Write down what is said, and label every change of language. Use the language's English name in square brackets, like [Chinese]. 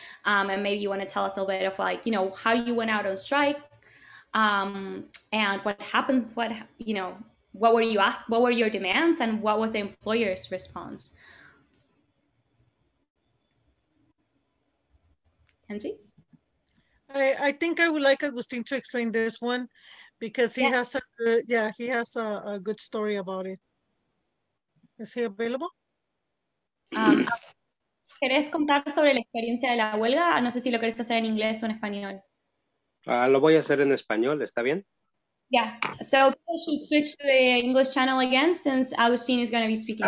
[English] And maybe you wanna tell us a little bit of like, you know, how you went out on strike, and what happened, what were you asked, what were your demands, and what was the employer's response? Angie? I think I would like Agustin to explain this one because he has a good story about it. Is he available? [Spanish] ¿Quieres contar sobre la experiencia de la huelga? No sé si lo quieres hacer en inglés o en español. Lo voy a hacer en español, ¿está bien? [English] Yeah, so people should switch to the English channel again since Agustin is going to be speaking.